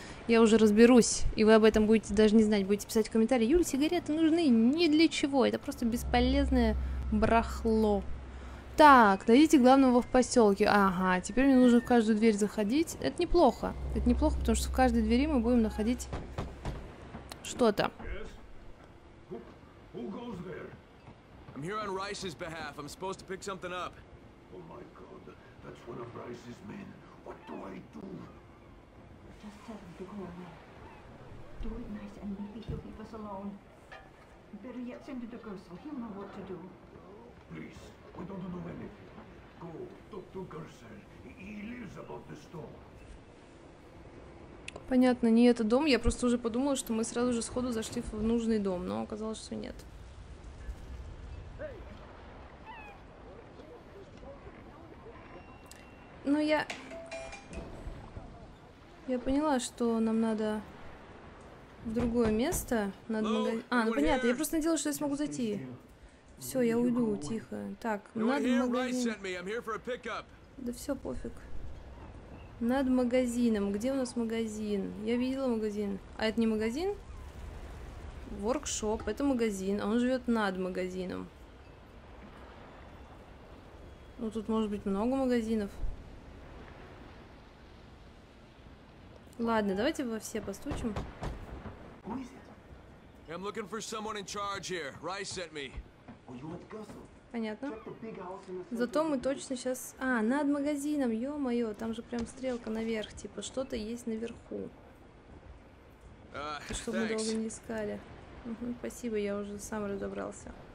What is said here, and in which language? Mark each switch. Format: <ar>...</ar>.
<ru>я уже разберусь, и вы об этом будете даже не знать, будете писать в комментарии: Юль, сигареты нужны ни для чего, это просто бесполезное барахло. Так, найдите главного в поселке. Ага, теперь мне нужно в каждую дверь заходить. Это неплохо. Это неплохо, потому что в каждой двери мы будем находить что-то.</ru> <en>I'm here on Rice's behalf. I'm supposed to pick something up. Oh my god, that's one of Rice's men. What do I do? Just tell him to go away. Do it nice and maybe he'll leave us alone. Better yet, send him to Gersel. He'll know what to do. Please, we don't know anything. Go, talk to Gersel. He lives above the store.</en> <ru>Понятно, не этот дом. Я просто уже подумала, что мы сразу же сходу зашли в нужный дом, но оказалось, что нет. Ну, я поняла, что нам надо в другое место. Надо ну понятно, я просто надеялась, что я смогу зайти. Все, я уйду, тихо. Так, надо магазин. Да все, пофиг. Над магазином. Где у нас магазин? Я видела магазин. А это не магазин? Воркшоп. Это магазин. А он живет над магазином. Ну, тут может быть много магазинов. Ладно, давайте во все постучим.</ru> <en>I'm looking for someone in charge here. Rice sent me.</en> <ru>Понятно. Зато мы точно сейчас... А, над магазином, ё-моё, там же прям стрелка наверх, типа, что-то есть наверху. Чтобы мы долго не искали. Угу, спасибо, я уже сам разобрался.</ru>